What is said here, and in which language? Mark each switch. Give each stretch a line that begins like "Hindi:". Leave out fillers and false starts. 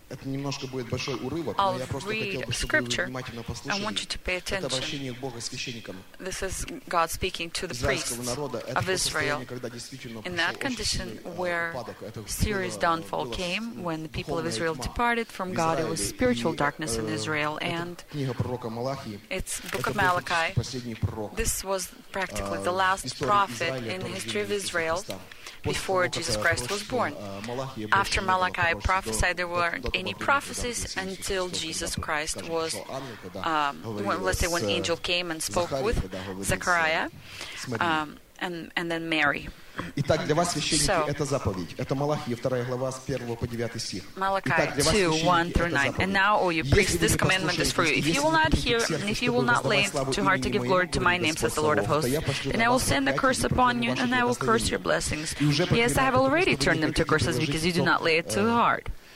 Russian: Это немножко будет большой урывок, но я просто хотел бы, чтобы вы внимательно послушали. Это обращение к Богу священникам израильского народа. Это
English: Israel,
Russian: состояние, когда действительно
English: in that condition where serious downfall came when the people of Israel departed from God, it was spiritual darkness in Israel, and
Russian: книга пророка Малахии.
English: It's book of Malachi.
Russian: Последний пророк.
English: This was practically the last prophet in the history of Israel. Before Jesus Christ was born. After Malachi prophesied, there weren't any prophecies until Jesus Christ was, when angel came and spoke with Zechariah, and then Mary.
Russian: Итак, для вас священники это заповедь. Это Малахия, 2 глава, с 1 по 9 стих.
English: Malachi 2:1-9. And now, O you priests, this commandment is for you. If you will not hear, and if you will not lay to heart to give glory to my name, says the Lord of hosts, then I will send a curse upon you, and I will curse your blessings. Yes, I have already turned them to curses because you do not lay it to heart.